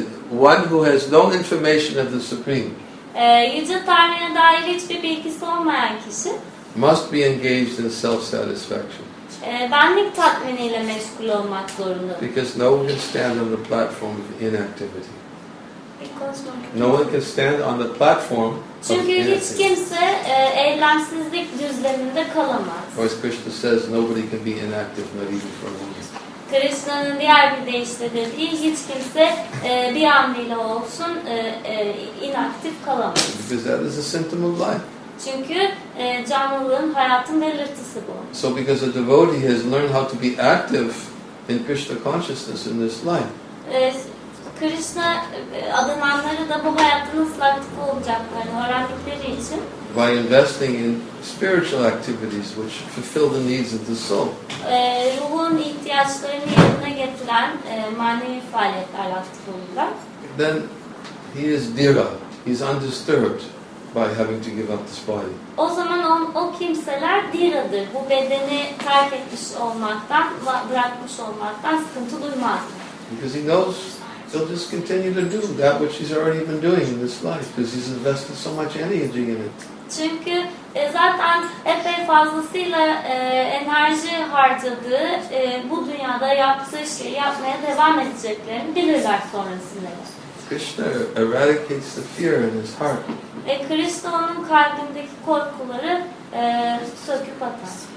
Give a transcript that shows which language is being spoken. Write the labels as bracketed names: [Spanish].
[English] One who has no information of the Supreme [Turkish] Yüce Tanrı'ya dair hiçbir bilgisi olmayan kişi [English] must be engaged in self-satisfaction. [Turkish] Benlik tatminiyle meşgul olmak zorunda. [English] Because no one can stand on the platform of inactivity. Because no one can stand on the platform. [Turkish] Çünkü hiç kimse eylemsizlik düzleminde kalamaz. [English] Or as Krishna says, nobody can be inactive, not even for a moment. [Turkish] Krishna'nın diğer bir deyişle hiç kimse bir an bile olsun inaktif kalamaz. [English] Because that is a symptom of life. [Turkish] Çünkü canlılığın hayatın belirtisi bu. [English] So because a devotee has learned how to be active in Krishna consciousness in this life. [Turkish] Krishna adananları da bu hayatta nasıl aktif olacaklarını öğrendikleri için [English] by investing in spiritual activities which fulfill the needs of the soul. [Turkish] Ruhun ihtiyaçlarını yerine getiren manevi faaliyetler aktif olurlar. [English] Then he is dira. He's undisturbed by having to give up this body. [Turkish] O zaman o kimseler dira'dır. Bu bedeni terk etmiş olmaktan, bırakmış olmaktan sıkıntı duymaz. [English] Because he knows he'll just continue to do that which he's already been doing in this life because he's invested so much energy in it. [Turkish] Çünkü zaten epey fazlasıyla enerji harcadığı bu dünyada yaptığı şeyi yapmaya devam edeceklerini bilirler sonrasında. [English] Krishna eradicates the fear in his heart. [Turkish] Krishna onun kalbindeki korkuları söküp atar.